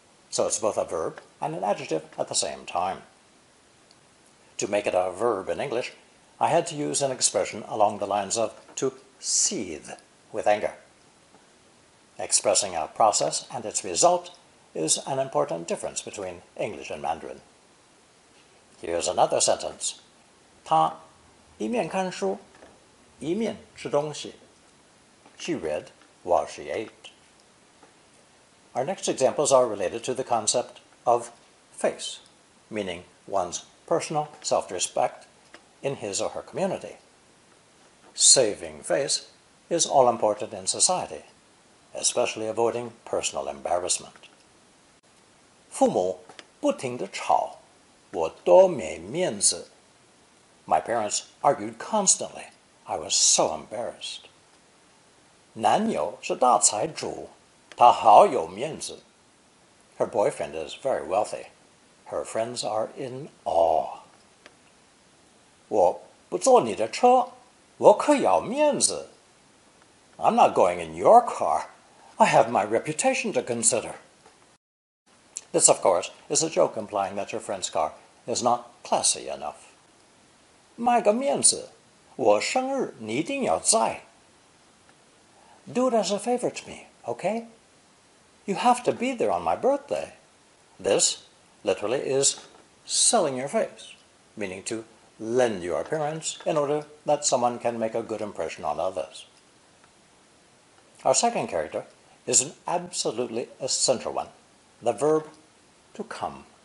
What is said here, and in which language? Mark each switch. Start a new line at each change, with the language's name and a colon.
English: So it's both a verb and an adjective at the same time. To make it a verb in English, I had to use an expression along the lines of to seethe with anger. Expressing a process and its result is an important difference between English and Mandarin. Here's another sentence.
Chinese: 他一面看书, 一面吃东西.
English: She read while she ate. Our next examples are related to the concept of face, meaning one's personal self-respect in his or her community. saving face is all important in society, especially avoiding personal embarrassment.
Chinese: 父母不停地吵，我多没面子。
English: My parents argued constantly. I was so embarrassed.
Chinese: 男友是大财主，他好有面子。
English: Her boyfriend is very wealthy. Her friends are in awe.
Chinese: 我不坐你的车，我可要面子。
English: I'm not going in your car. I have my reputation to consider. This, of course, is a joke implying that your friend's car is not classy enough.
Chinese: 卖个面子，我生日你一定要在。
English: Do it as a favor to me, okay? You have to be there on my birthday. This, literally, is selling your face, meaning to lend your appearance in order that someone can make a good impression on others. Our second character is an absolutely essential one, the verb to come.